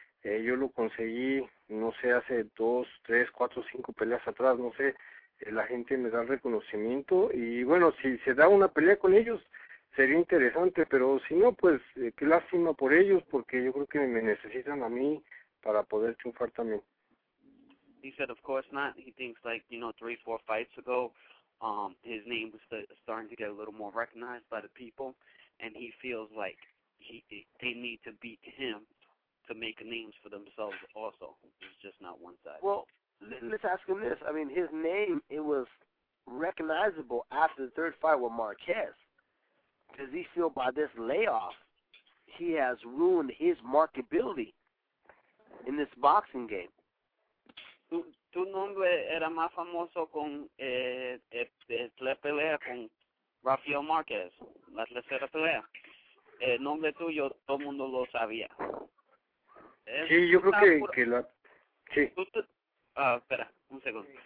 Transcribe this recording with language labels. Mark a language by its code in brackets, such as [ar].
[es] Yo lo conseguí, no sé, hace 2, 3, 4, 5 peleas atrás. No sé, la gente me da reconocimiento. Y bueno, si se da una pelea con ellos, sería interesante. Pero si no, pues qué lástima por ellos, porque yo creo que me necesitan a mí para poder triunfar también. [en] He said, of course not. He thinks, like, you know, 3, 4 fights ago, his name was starting to get a little more recognized by the people, and he feels like they need to beat him to make names for themselves also. It's just not one side. Well, let's ask him this. I mean, his name, it was recognizable after the third fight with Marquez. Does he feel by this layoff, he has ruined his marketability in this boxing game? [es] Tu nombre era más famoso con la pelea con Rafael Márquez, la tercera pelea. El nombre tuyo, todo el mundo lo sabía. Sí, yo creo que la... Sí. Espera, un segundo.